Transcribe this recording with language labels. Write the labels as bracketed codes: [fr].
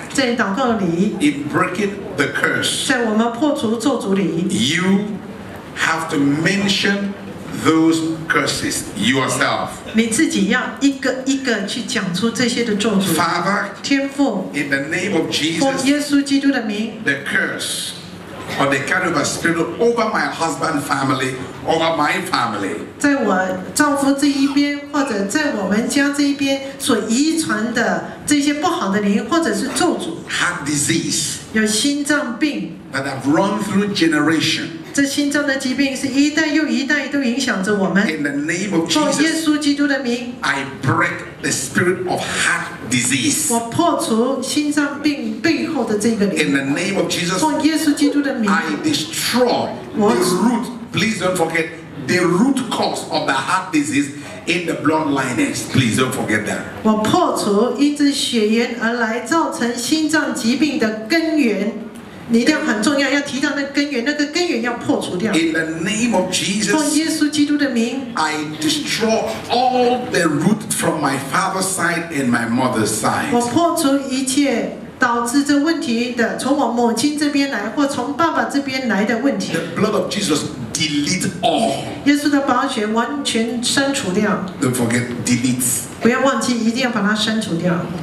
[zh] 在祷告里 [en] in breaking the curse, [zh] 在我们破除咒诅里 [en] you have to mention those curses yourself. [zh] 你自己要一个一个去讲出这些的咒诅 [en] Father, [zh] 天父 [en] in the name of Jesus, [zh] 奉耶稣基督的名 [en] the curse or the kind of a spirit over my husband's family, over my family. [zh] 在我丈夫这一边或者在我们家这一边所遗传的这些不好的灵或者是咒诅 [en] Heart disease [zh] 有心脏病 [en] That have run through generation [zh] 这心脏的疾病是一代又一代都影响着我们 [en] In the name of Jesus [zh] 奉耶稣基督的名 [en] I break the spirit of heart disease [zh] 我破除心脏病背后的这个灵 [en] In the name of Jesus [zh] 奉耶稣基督的名 [en] I destroy the root Please don't forget the root cause of the heart disease in the bloodline please don't forget that [zh] 我破除一直血缘而来造成心脏疾病的根源你一定要很重要要提到那根源那个根源要破除掉 [en] in the name of Jesus [zh] 奉耶稣基督的名 [en] I destroy all the root from my father's side and my mother's side [zh] 我破除一切导致这问题的从我母亲这边来或从爸爸这边来的问题 [en] the blood of JesusDelete all. [zh] 耶稣的宝血完全删除掉。 [en] Don't forget delete. [zh] 不要忘记，一定要把它删除掉。